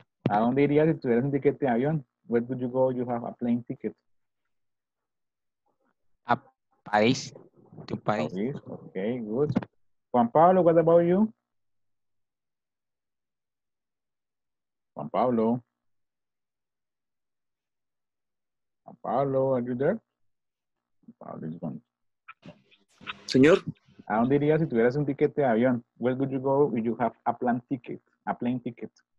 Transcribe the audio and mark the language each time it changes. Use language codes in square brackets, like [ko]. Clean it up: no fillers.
[es] ¿A dónde irías si tuvieras un ticket de avión? [en] Where would you go if you have a plane ticket? [es] A París. [en] To París. París. Okay, good. Juan Pablo, what about you? Juan Pablo, are you there? Juan Pablo is gone. [es] Señor. ¿A dónde irías si tuvieras un ticket de avión? [en] Where would you go if you have a plane ticket?